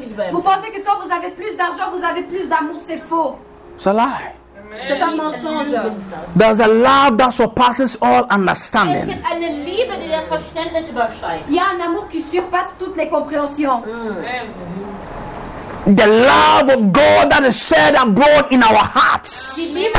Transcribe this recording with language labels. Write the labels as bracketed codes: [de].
[fr] Vous pensez que quand vous avez plus d'argent, vous avez plus d'amour, c'est faux. [en] It's a lie. [fr] C'est un mensonge. [en] There's a love that surpasses all understanding. [fr] Il y a un amour qui surpasse toutes les compréhensions. [en] The love of God that is shed abroad in our hearts.